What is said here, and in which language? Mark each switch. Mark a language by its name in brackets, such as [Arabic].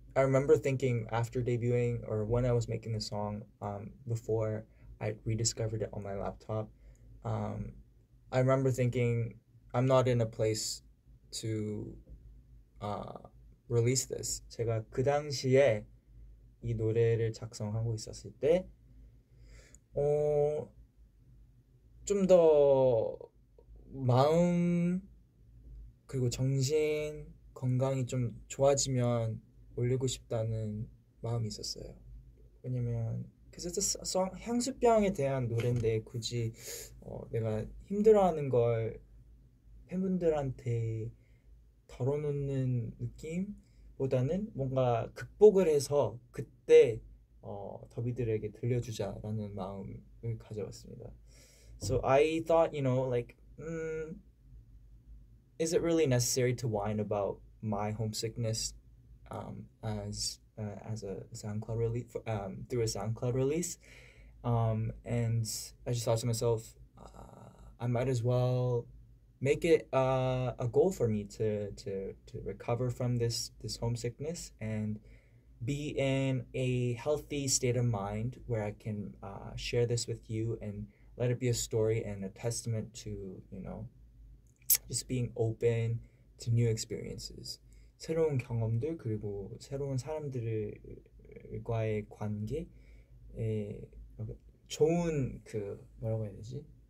[English] I remember thinking after debuting or when I was making the song, before I rediscovered it on my laptop, I remember thinking I'm not in a place to release this. [Korean] 제가 그 당시에 이 노래를 작성하고 있었을 때 좀 더 마음 그리고 정신 건강이 좀 좋아지면 올리고 싶다는 마음이 있었어요. 왜냐면 그래서 향수병에 대한 노래인데 굳이 내가 힘들어하는 걸 팬분들한테 덜어놓는 느낌보다는 뭔가 극복을 해서 그때 더비들에게 들려주자라는 마음을 가져왔습니다. [English] So I thought, you know, like, is it really necessary to whine about my homesickness as a SoundCloud release through a SoundCloud release? And I just thought to myself, I might as well make it a goal for me to recover from this homesickness and be in a healthy state of mind where I can share this with you and let it be a story and a testament to, you know, just being open to new experiences. [Korean] 새로운 경험들, 그리고 새로운 사람들과의 관계에 좋은 그 뭐라고 해야 되지?